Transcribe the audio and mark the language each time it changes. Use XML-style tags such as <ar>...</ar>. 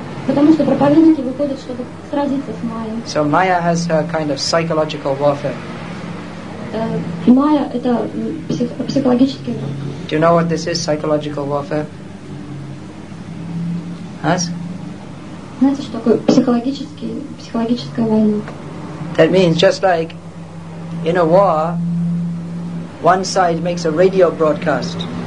<ru>Потому что проповедники выходят, чтобы сразиться с Майя.</ru> <en>So Maya has her kind of psychological warfare.</en> <ru>Майя — это психологический враг.</ru> <en>Do you know what this is, psychological warfare? Yes?</en> <ru>Знаете, что такое психологическая война?</ru> <en>That means just like in a war, one side makes a radio broadcast.</en>